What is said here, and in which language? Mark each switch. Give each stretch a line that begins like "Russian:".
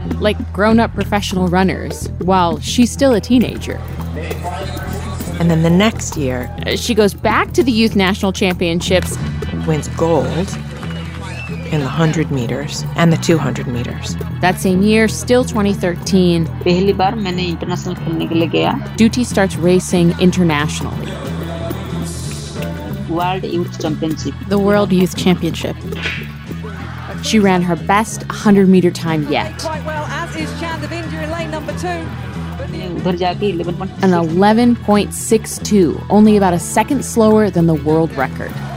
English: Like grown-up professional runners, while she's still a teenager. And then the next year, she goes back to the Youth National Championships. Wins gold in the 100 meters and the 200 meters. That same year, still 2013,
Hindi: पहली बार मैंने international खेलने के लिए गया.
English: Duti starts racing internationally. World Youth Championship. The World Youth Championship. She ran her best 100 meter time yet. An 11.62, only about a second slower than the world record.